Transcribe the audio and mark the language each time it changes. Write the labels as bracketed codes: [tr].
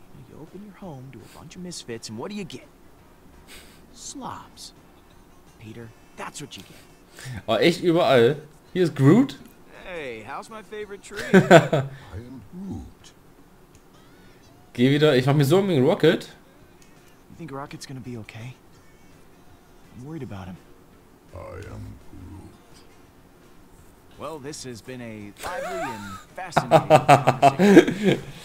[en] You open your home, do a bunch of misfits, and what do you get? Slobs. Peter, that's what you get. [de] Oh, echt überall. Hier ist Groot. [en] Hey, how's my favorite tree? I am Groot. [de] Geh wieder, ich mach mir so einen Rocket. [en] You think Rocket's gonna be okay? I'm worried about him. I am Groot. Well, this has been a lively and fascinating conversation.